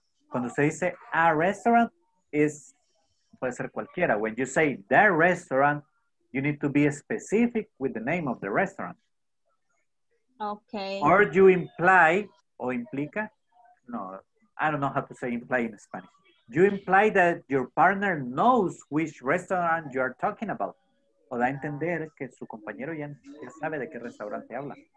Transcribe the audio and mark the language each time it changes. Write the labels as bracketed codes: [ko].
[es] Cuando se dice [en] a restaurant, is [es] puede ser cualquiera. [en] When you say the restaurant, you need to be specific with the name of the restaurant. Okay. Or you imply [es] o implica? [en] No, I don't know how to say imply in Spanish. You imply that your partner knows which restaurant you are talking about. [es] O da a entender que su compañero ya sabe de qué restaurante habla.